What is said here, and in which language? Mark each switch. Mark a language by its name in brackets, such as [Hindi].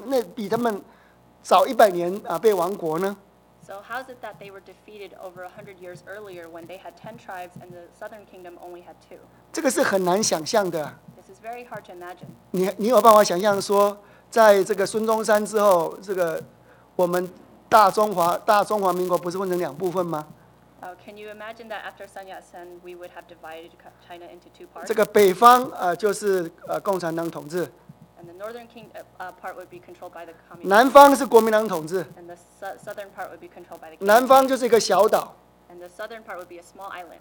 [Chinese] 啊，那为什么会比南国只有一点点两个支派小地方，那比他们早100年啊被亡国呢？ [English] So how is it that they were defeated over 100 years earlier when they had 10 tribes and the southern kingdom only had 2? [Chinese] 这个是很难想象的。 [English] This is very hard to imagine. [Chinese] 你有办法想象说，在这个孙中山之后，这个我们大中华民国不是分成两部分吗？ [English] Can you imagine that after Sun Yat-sen we would have divided China into 2 parts? [Chinese] 这个北方就是共产党统治。 [English] And the northern king part would be controlled by the communist. [Chinese] 南方是国民党统治。 [English] And the southern part would be controlled by the. [Chinese] 南方就是一个小岛。 [English] And the southern part would be a small island.